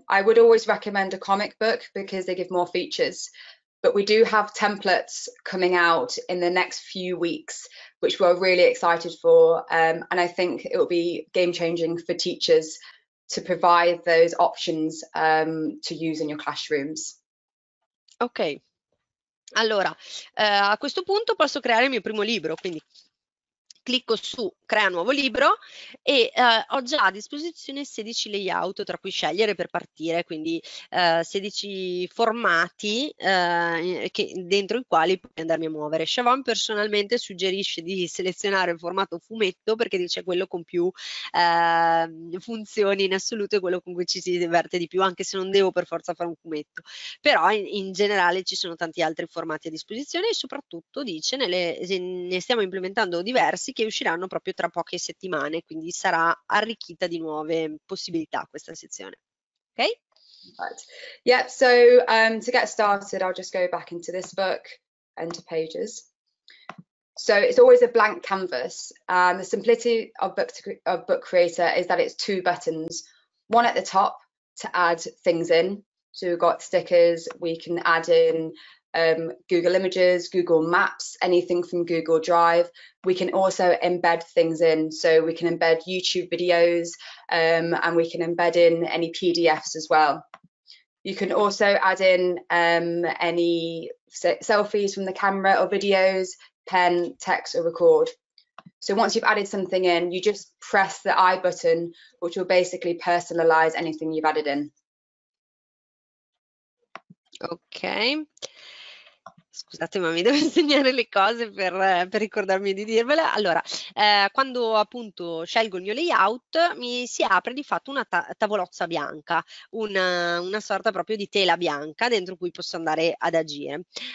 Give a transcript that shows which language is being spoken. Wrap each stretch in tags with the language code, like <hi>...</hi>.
<en>I would always recommend a comic book because they give more features. But we do have templates coming out in the next few weeks, which we're really excited for. And I think it will be game changing for teachers to provide those options to use in your classrooms. Okay.</en> <it>Allora, a questo punto posso creare il mio primo libro, quindi clicco su crea nuovo libro, e ho già a disposizione 16 layout tra cui scegliere per partire, quindi 16 formati dentro i quali andarmi a muovere. Siobhan personalmente suggerisce di selezionare il formato fumetto, perché dice quello con più funzioni in assoluto, e quello con cui ci si diverte di più, anche se non devo per forza fare un fumetto, però in generale ci sono tanti altri formati a disposizione, e soprattutto dice ne stiamo implementando diversi che usciranno proprio tra poche settimane, quindi sarà arricchita di nuove possibilità questa sezione. Ok?</it> <en>Right. Yeah, so to get started, I'll just go back into this book and to pages. So it's always a blank canvas. The simplicity of Book Creator is that it's two buttons, one at the top to add things in. So we've got stickers, we can add in Google Images, Google Maps, anything from Google Drive. We can also embed things in. So we can embed YouTube videos, and we can embed in any PDFs as well. You can also add in any selfies from the camera or videos, pen, text or record. So once you've added something in, you just press the I button, which will basically personalize anything you've added in. Okay.</en> <it>Scusate, ma mi devo segnare le cose per ricordarmi di dirvele. Allora, quando appunto scelgo il mio layout, mi si apre di fatto una tavolozza bianca, una sorta proprio di tela bianca dentro cui posso andare ad agire.</it>